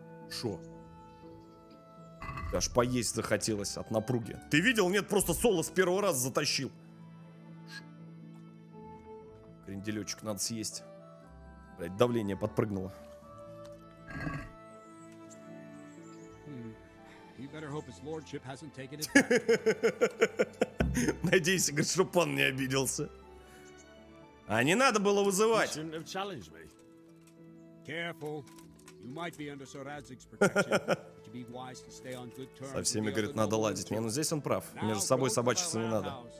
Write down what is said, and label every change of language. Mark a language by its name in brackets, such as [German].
[Russian] Шо? Аж поесть захотелось от напруги. Ты видел? Нет, просто соло с первого раза затащил. Кренделечек надо съесть. Блять, давление подпрыгнуло. [English] You better hope his lordship hasn't taken it back. [Russian] Надеюсь, говорит, чтоб он не обиделся. А не надо было вызывать. [English] You shouldn't have challenged me. Careful. You might be under Sir Radzik's protection. You'd be wise to stay on good terms. [Russian] Со всеми, говорит, надо ладить. Не, ну здесь он прав. Мне же с собой собачиться не надо.